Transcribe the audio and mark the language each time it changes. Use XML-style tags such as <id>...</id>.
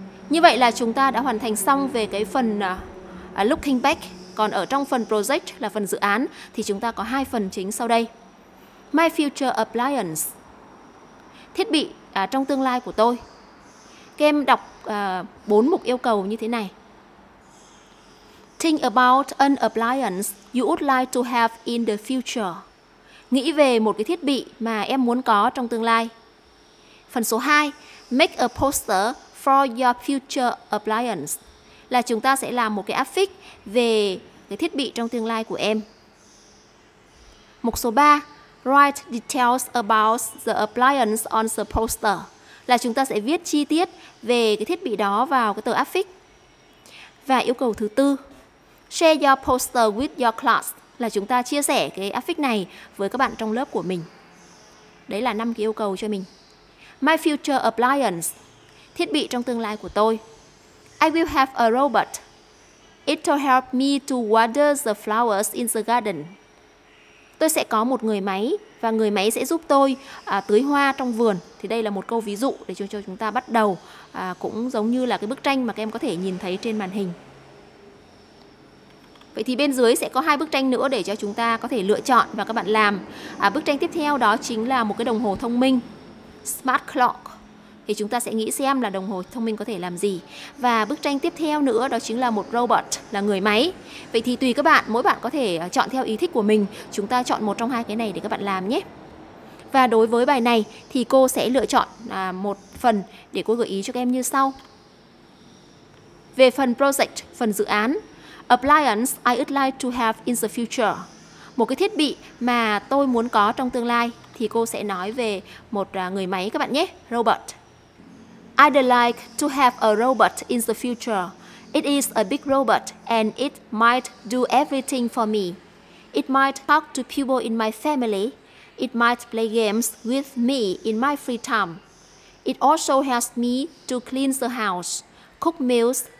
<vi>Như vậy là chúng ta đã hoàn thành xong về cái phần looking back. Còn ở trong phần project là phần dự án thì chúng ta có hai phần chính sau đây.</vi> <en>My future appliance.</en> <vi>Thiết bị trong tương lai của tôi. Các em đọc 4 mục yêu cầu như thế này.</vi> <en>Think about an appliance you would like to have in the future.</en> <vi>Nghĩ về một cái thiết bị mà em muốn có trong tương lai. Phần số 2.</vi> <en>Make a poster for your future appliance.</en> <vi>Là chúng ta sẽ làm một cái affix về cái thiết bị trong tương lai của em. Mục số 3.</vi> <en>Write details about the appliance on the poster.</en> <vi>Là chúng ta sẽ viết chi tiết về cái thiết bị đó vào cái tờ affix. Và yêu cầu thứ 4.</vi> <en>Share your poster with your class.</en> <vi>Là chúng ta chia sẻ cái affix này với các bạn trong lớp của mình. Đấy là 5 cái yêu cầu cho mình.</vi> <en>My future appliance.</en> <vi>Thiết bị trong tương lai của tôi.</vi> <en>I will have a robot. It will help me to water the flowers in the garden.</en> <vi>Tôi sẽ có một người máy và người máy sẽ giúp tôi tưới hoa trong vườn. Thì đây là một câu ví dụ để cho chúng ta bắt đầu. Cũng giống như là cái bức tranh mà các em có thể nhìn thấy trên màn hình. Vậy thì bên dưới sẽ có hai bức tranh nữa để cho chúng ta có thể lựa chọn và các bạn làm. Bức tranh tiếp theo đó chính là một cái đồng hồ thông minh.</vi> <en>Smart clock.</en> <vi>Thì chúng ta sẽ nghĩ xem là đồng hồ thông minh có thể làm gì. Và bức tranh tiếp theo nữa đó chính là một robot, là người máy. Vậy thì tùy các bạn, mỗi bạn có thể chọn theo ý thích của mình. Chúng ta chọn một trong hai cái này để các bạn làm nhé. Và đối với bài này thì cô sẽ lựa chọn một phần để cô gợi ý cho các em như sau. Về phần project, phần dự án.</vi> <en>Appliance I would like to have in the future.</en> <vi>Một cái thiết bị mà tôi muốn có trong tương lai. Thì cô sẽ nói về một người máy các bạn nhé, robot.</vi> <en>I'd like to have a robot in the future. It is a big robot and it might do everything for me. It might talk to people in my family. It might play games with me in my free time. It also helps me to clean the house, cook meals,</en>